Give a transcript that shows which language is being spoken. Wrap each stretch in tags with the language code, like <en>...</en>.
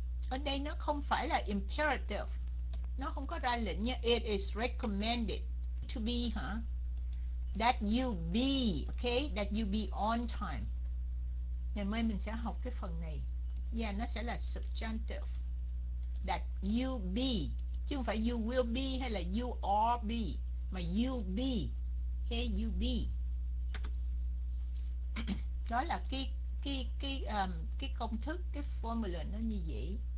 <vi>Ở đây nó không phải là imperative, nó không có ra lệnh nha.</vi> <en>It is recommended to be hả? That you be, okay, that you be on time.</en> <vi>Ngày mai mình sẽ học cái phần này. Yeah, nó sẽ là subjunctive.</vi> <en>That you be, chứ không phải you will be hay là you are be, mà you be, okay, you be.</en> <vi>Đó là cái công thức, cái formula nó như vậy.</vi>